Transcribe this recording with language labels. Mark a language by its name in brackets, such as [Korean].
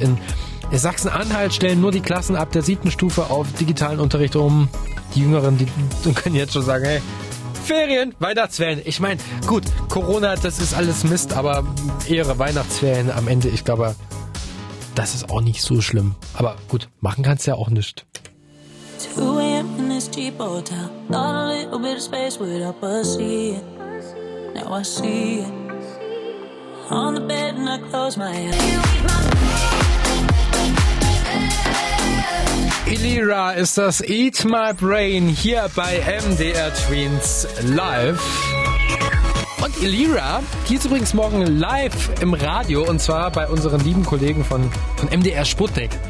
[German] In Sachsen-Anhalt stellen nur die Klassen ab der 7. Stufe auf digitalen Unterricht um. Die Jüngeren, die können jetzt schon sagen, hey, Ferien, Weihnachtsferien. Ich meine, gut, Corona, das ist alles Mist, aber Ehre, Weihnachtsferien am Ende, ich glaube, das ist auch nicht so schlimm. Aber gut, machen kannst du ja auch nicht. [English] 2 a.m. in this cheap hotel. Not a little bit of space without a seat. Now I see it. On the bed and I close my eyes. [German] Elira ist das Eat My Brain hier bei MDR Tweens live. Und Elira, die ist übrigens morgen live im Radio und zwar bei unseren lieben Kollegen von MDR Sputnik.